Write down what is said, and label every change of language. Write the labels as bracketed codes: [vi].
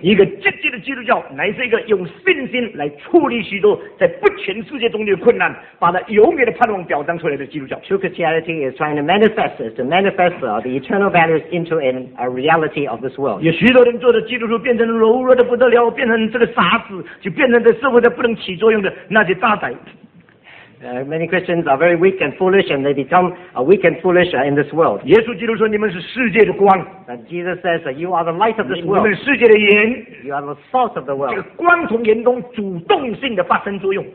[en] True Christianity is trying to manifest, the eternal values into a reality of this world. [zh] 不能起作用的那些大胆。 [en] Many Christians are very weak and foolish, and they become weak and foolish in this world. [zh] 耶稣基督说你们是世界的光。 [en] And Jesus says that you are the light of this world. [zh] 你们是世界的盐。 [en] You are the salt of the world. [zh] 这个光从盐中主动性的发生作用。